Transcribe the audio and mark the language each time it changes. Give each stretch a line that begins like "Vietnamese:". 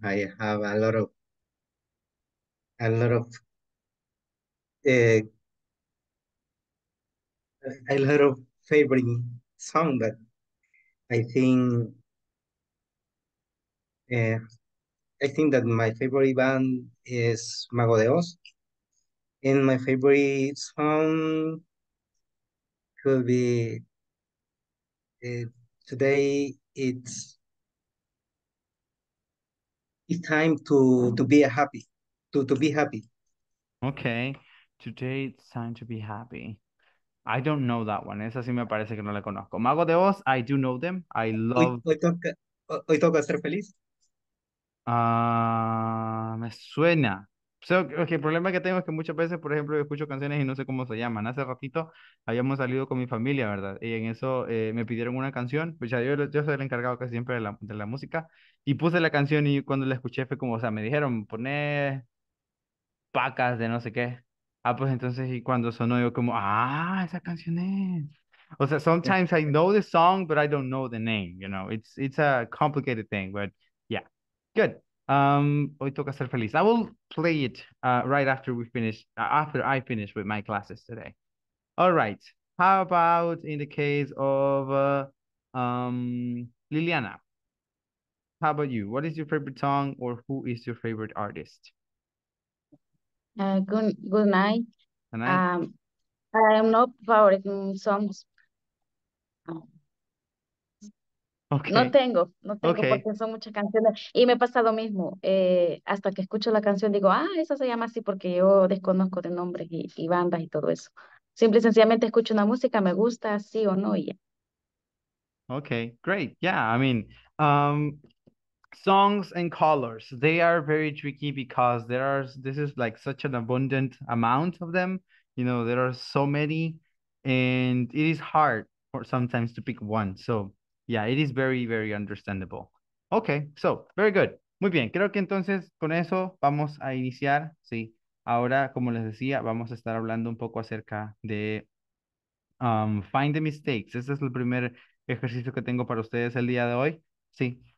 English: I have a lot of favorite song, but I think that my favorite band is Mago de Oz, and my favorite song could be today. It's time to be a happy, to be happy. Okay, today it's time to be happy. I don't know that one.
Spanish: Esa sí me parece que no la conozco.
English: Mago de Oz, I do know them. I love.
Spanish: Hoy toca ser feliz. Me suena. So, okay, el problema que tengo es que muchas veces, por ejemplo, yo escucho canciones y no sé cómo se llaman. Hace ratito habíamos salido con mi familia, ¿verdad? Y en eso me pidieron una canción. Pues ya yo soy el encargado casi siempre de la música. Y puse la canción y cuando la escuché fue como, o sea, me dijeron, poné pacas de no sé qué. Ah, pues entonces, y cuando sonó yo como, ah, esa canción es. O sea,
English: sometimes I know the song, but I don't know the name, you know, it's a complicated thing, but yeah, good.
Spanish: Hoy toca ser feliz.
English: I will play it right after we finish, after I finish with my classes today. All right, how about in the case of Liliana? How about you? What is your favorite song, or who is your favorite artist? Good night. Good night. I am not favorite songs.
Spanish: No
English: Okay.
Spanish: tengo porque
English: Okay.
Spanish: son muchas canciones y me pasa lo mismo. Hasta que escucho la canción digo, ah, esa se llama así porque yo desconozco de nombres y bandas y todo eso. Simple y sencillamente escucho una música, me gusta, sí o no, y ya.
English: Okay, great. Yeah, I mean, songs and colors, they are very tricky because this is like such an abundant amount of them. You know, there are so many, and it is hard for sometimes to pick one. So, yeah, it is very, very understandable. Okay, so very good.
Spanish: Muy bien, creo que entonces con eso vamos a iniciar. Sí, ahora, como les decía, vamos a estar hablando un poco acerca de Find the Mistakes. Ese es el primer ejercicio que tengo para ustedes el día de hoy. Sí.